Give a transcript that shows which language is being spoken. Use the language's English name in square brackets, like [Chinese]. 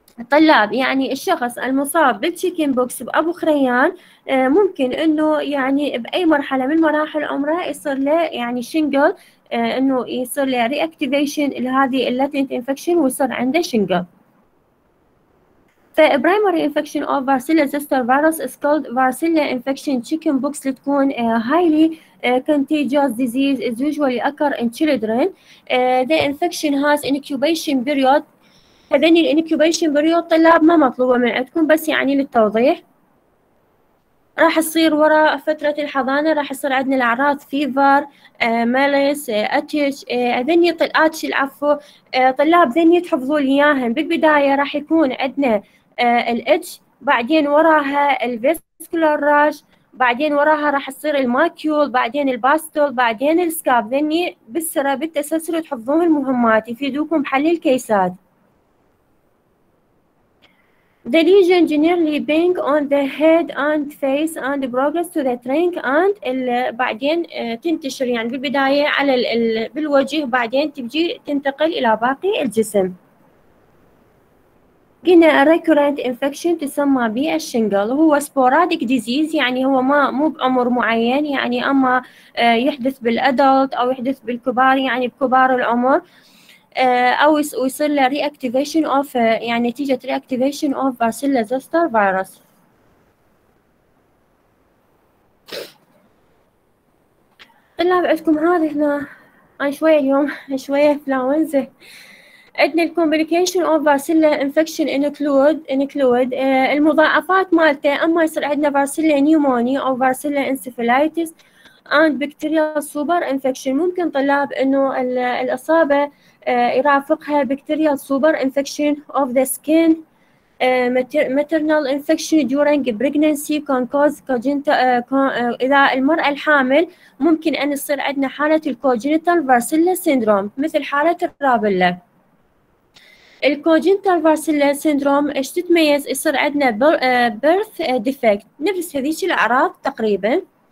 [Arabic] طلاب يعني الشخص المصاب بالتشيكن بوكس بأبو خريان ممكن انه يعني بأي مرحلة من مراحل عمره يصير له يعني شنجل، انه يصير له reactivation لهذه اللاتنت انفكشن ويصير عنده شنجل. [English] فبرايمري infection of varicella zoster virus is called varicella infection chicken pox لتكون highly contagious disease is usually occur in children. The infection has incubation period. [Arabic] هذني الانكيوبيشن بريود طلاب ما مطلوبة من عندكم بس يعني للتوضيح، راح تصير وراء فترة الحضانة، راح يصير عندنا الأعراض فيفر ماليس أتش هذني أتش العفو طلاب ذني تحفظوا إياهم. بالبداية راح يكون عندنا الأتش، بعدين وراها الفيسكولار راج، بعدين وراها راح تصير الماكيول، بعدين الباستول، بعدين السكاب. ذني بالسرة بالتسلسل تحفظون المهمات يفيدوكم بحل الكيسات. [English] The lesion generally bang on the head and face and progress to the trunk and [Arabic] بعدين تنتشر يعني بالبداية على بالوجه بعدين تبجي تنتقل إلى باقي الجسم. قلنا [English] recurrent infection [Arabic] تسمى بالشنجل، هو [English] sporadic disease [Arabic] يعني هو ما مو بعمر معين، يعني أما يحدث بالأدلت أو يحدث بالكبار يعني بكبار العمر، أو يصير له reactivation of يعني نتيجة [English] reactivation of varicella zoster virus. [Arabic] طلاب عندكم هذا هنا، أنا شوية اليوم شوية انفلونزا. [English] عندنا ال complication of varicella infection include [Arabic] المضاعفات مالته، أما يصير عندنا [English] varicella pneumonia أو varicella encephalitis and bacterial super infection. [Arabic] ممكن طلاب إنه الإصابة يرافقها [English] bacterial super infection of the skin, maternal infection during pregnancy can cause congenital. [Arabic] إذا المرأة الحامل ممكن أن يصير عندنا حالة congenital varicella syndrome مثل حالة الرابلة. الكوجنتال فارسيلا سيندروم ايش تتميز؟ يصير عندنا بيرث ديفكت، نفس هذيك الأعراض تقريبا.